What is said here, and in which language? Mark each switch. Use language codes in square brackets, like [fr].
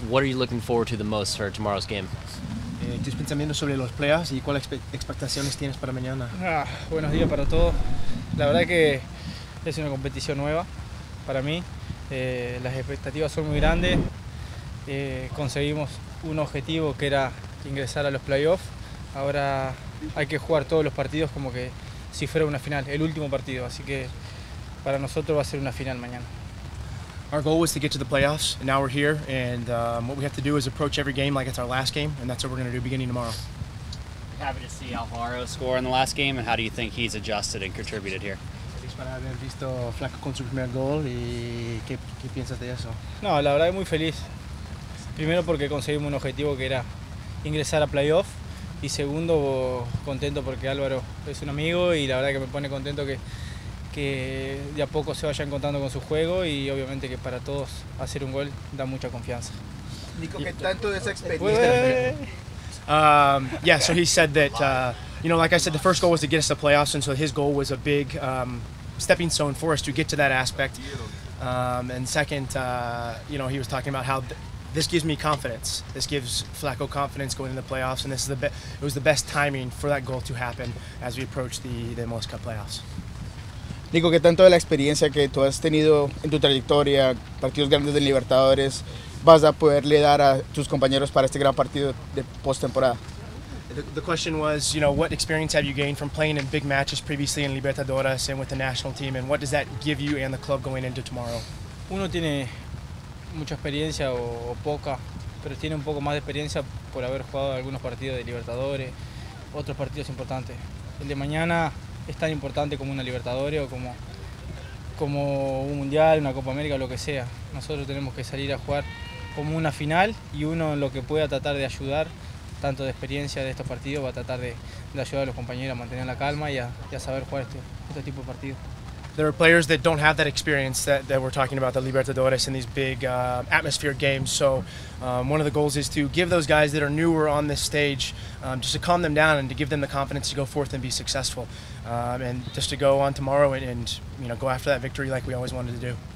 [en] What are you looking forward to the most for tomorrow's game? [es] Tus pensamientos sobre los playoffs y cuáles expectaciones tienes para mañana. Buenos días para todos. La verdad que es una competición nueva para mí. Las expectativas son muy grandes. Conseguimos un objetivo que era ingresar a los playoffs. Ahora hay que jugar todos los partidos como que si fuera una final, el último partido. Así que para nosotros va a ser una final mañana. [en] Our goal was to get to the playoffs, and now we're here. And what we have to do is approach every game like it's our last game, and that's what we're going to do beginning tomorrow. Happy to see Alvaro score in the last game, and how do you think he's adjusted and contributed here? [es] Feliz para haber visto Flaco con su primer gol, y qué piensas de eso? No, la verdad es muy feliz. Primero porque conseguimos un objetivo que era ingresar a playoff, y segundo contento porque Álvaro es un amigo y la verdad que me pone contento que de a poco se vayan contando con su juego y obviamente que para todos hacer un gol da mucha confianza. Nico, ¿qué tanto de esa experiencia? [en] Yeah, so he said that, you know, like I said, the first goal was to get us to playoffs, and so his goal was a big stepping stone for us to get to that aspect. And second, you know, he was talking about how this gives me confidence. This gives Flaco confidence going into the playoffs, and this is it was the best timing for that goal to happen as we approach the MLS Cup playoffs. [es] Nico, ¿qué tanto de la experiencia que tú has tenido en tu trayectoria, partidos grandes de Libertadores, vas a poderle dar a tus compañeros para este gran partido de postemporada? [en] The question was, you know, what experience have you gained from playing in big matches previously in Libertadores and with the national team, and what does that give you and the club going into tomorrow? [es] Uno tiene mucha experiencia o poca, pero tiene un poco más de experiencia por haber jugado algunos partidos de Libertadores, otros partidos importantes. El de mañana es tan importante como una Libertadores o como un Mundial, una Copa América, lo que sea. Nosotros tenemos que salir a jugar como una final y uno lo que pueda tratar de ayudar, tanto de experiencia de estos partidos, va a tratar de ayudar a los compañeros a mantener la calma y a saber jugar este tipo de partidos. [en] There are players that don't have that experience that we're talking about, the Libertadores and these big atmosphere games. So one of the goals is to give those guys that are newer on this stage, just to calm them down and to give them the confidence to go forth and be successful. And just to go on tomorrow and you know, go after that victory like we always wanted to do.